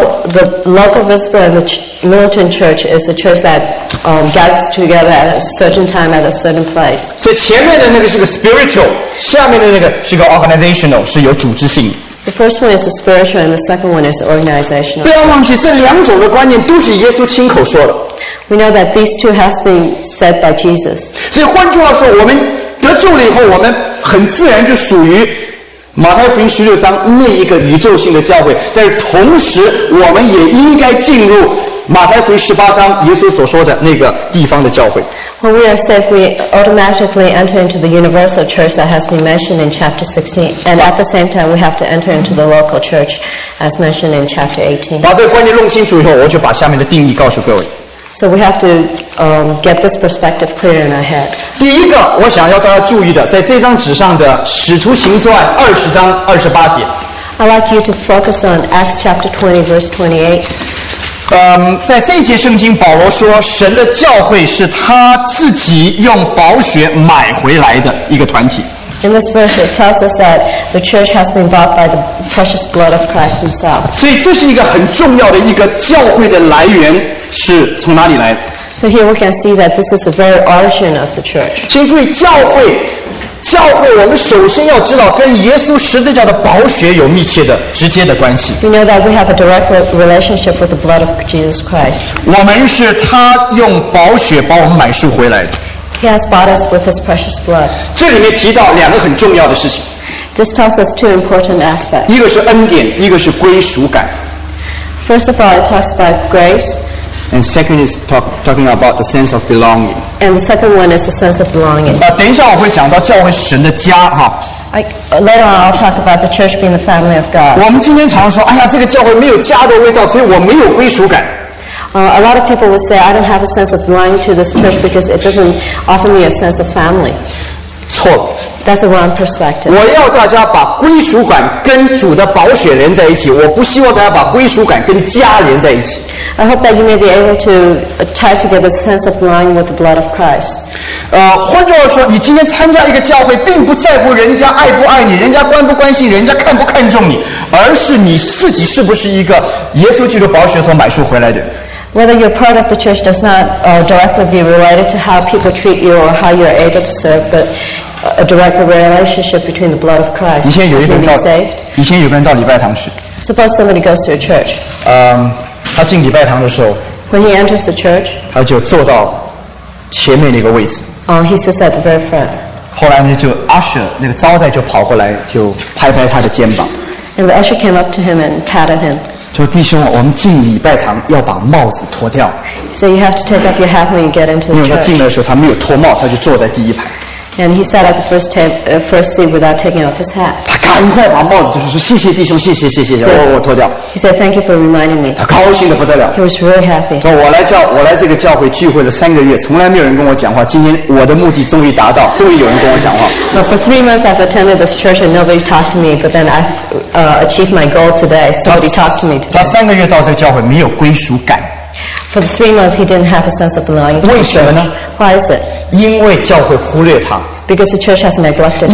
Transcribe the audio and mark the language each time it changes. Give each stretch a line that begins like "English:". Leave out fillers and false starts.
English: The local visible and the militant church is a church that gathers together at a certain time at a certain place.
Chinese: 所以前面的那个是个 spiritual， 下面的那个是个 organizational， 是有组织性。
English: The first one is the spiritual, and the second one is the organizational.
Chinese: 不要忘记，这两种的观念都是耶稣亲口说的。
English: We know that these two has been said by Jesus.
Chinese: 所以换句话说，我们得救了以后，我们很自然就属于马太福音十六章那一个宇宙性的教会。但是同时，我们也应该进入马太福音十八章耶稣所说的那个地方的教会。
English: When we are saved, we automatically enter into the universal church that has been mentioned in chapter 16. And at the same time, we have to enter into the local church as mentioned in chapter 18.
Chinese: 把这个观念弄清楚以后，我就把下面的定义告诉各位。
English: So we have to get this perspective clear in our head.
Chinese: 第一个我想要大家注意的，在这张纸上的《使徒行传》二十章二十八节。
English: I'd like you to focus on Acts chapter 20, verse 28.
Chinese: 在这节圣经保罗说神的教会是他自己用宝血买回来的一个团体。
English: In this verse it tells us that the church has been bought by the precious blood of Christ himself.
Chinese: 所以这是一个很重要的一个教会的来源是从哪里来的。
English: So here we can see that this is the very origin of the church.
Chinese: 请注意教会我们首先要知道跟耶稣十字架的宝血有密切的直接的关系。
English: We know that we have a direct relationship with the blood of Jesus Christ.
Chinese: 我们是他用宝血把我们买赎回来的。
English: He has bought us with his precious blood.
Chinese: 这里面提到两个很重要的事情。
English: This tells us two important aspects.
Chinese: 一个是恩典，一个是归属感。
English: First of all, it talks about grace. And second is talking about the sense of belonging. And the second one is the sense of belonging.
Chinese: 等一下我会讲到教会是神的家哈。
English: Later on, I'll talk about the church being the family of God.
Chinese: 我们今天常说，哎呀，这个教会没有家的味道，所以我没有归属感。
English: A lot of people would say I don't have a sense of belonging to this church because it doesn't offer me a sense of family.
Chinese: 错了。
English: That's a wrong perspective.
Chinese: 我要大家把归属感跟主的宝血连在一起，我不希望大家把归属感跟家连在一起。
English: I hope that you may be able to tie together the sense of belonging with the blood of Christ.
Chinese: 换句话说，你今天参加一个教会，并不在乎人家爱不爱你，人家关不关心，人家看不看重你，而是你自己是不是一个耶稣基督宝血所买赎回来的。
English: Whether you're part of the church does not directly be related to how people treat you or how you are able to serve, but a direct relationship between the blood of Christ.
Chinese: 以前有一个人到， 以前有个人到礼拜堂去。
English: Suppose somebody goes to a church.
Chinese: 他进礼拜堂的时候，
English: When he enters the church,
Chinese: 他就坐到前面那个位置。
English: He sits at the very front.
Chinese: 后来呢，就 usher 那个招待就跑过来，就拍拍他的肩膀。
English: And the usher came up to him and patted him.
Chinese: 就弟兄，我们进礼拜堂要把帽子脱掉。
English: So you have to take off your hat when you get into the church.
Chinese: 因为他进来的时候他没有脱帽，他就坐在第一排。
English: And he sat at the first seat without taking off his hat.
Chinese: 他赶快把帽子就是说谢谢弟兄，谢谢谢谢，我脱掉。
English: He said thank you for reminding me.
Chinese: 他高兴得不得了。
English: He was really happy.
Chinese: 说我来这个教会聚会了三个月，从来没有人跟我讲话。今天我的目的终于达到，终于有人跟我讲话。
English: Well, for 3 months I've attended this church and nobody talked to me, but then I've achieved my goal today. Somebody talked to me today.
Chinese: 他三个月到这个教会没有归属感。
English: For 3 months he didn't have a sense of belonging.
Chinese: 为什么呢？
English: Why is it?
Chinese: 因为教会忽略他。
English: Because the church has neglected him.